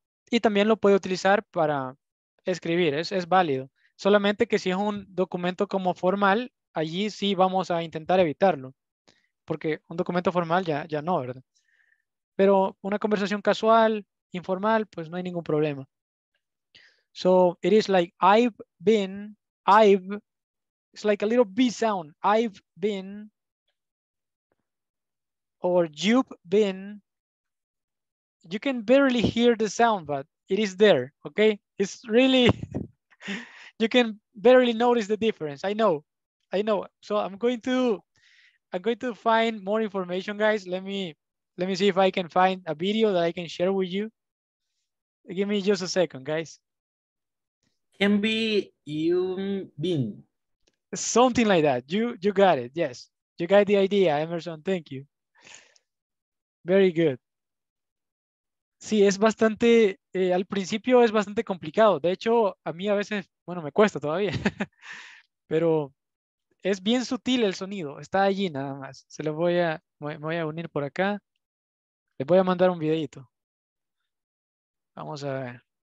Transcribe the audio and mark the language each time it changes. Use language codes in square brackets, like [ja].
[es] Y también lo puede utilizar para escribir, es válido. Solamente que si es un documento como formal, allí sí vamos a intentar evitarlo, porque un documento formal ya no, ¿verdad? Pero una conversación casual, informal, pues no hay ningún problema. [en] So it is like it's like a little B sound. I've been, or you've been. You can barely hear the sound, but it is there, okay? It's really, you can barely notice the difference. I know. So I'm going to find more information, guys. Let me see if I can find a video that I can share with you. Give me just a second, guys. Can be you been. Something like that. You got it. Yes. You got the idea, Emerson. Thank you. Very good. [es] Sí, es bastante, al principio es bastante complicado. De hecho, a mí a veces, bueno, me cuesta todavía. Pero es bien sutil el sonido. Está allí nada más. Se lo voy a, me voy a unir por acá. Les voy a mandar un videito. Vamos a ver.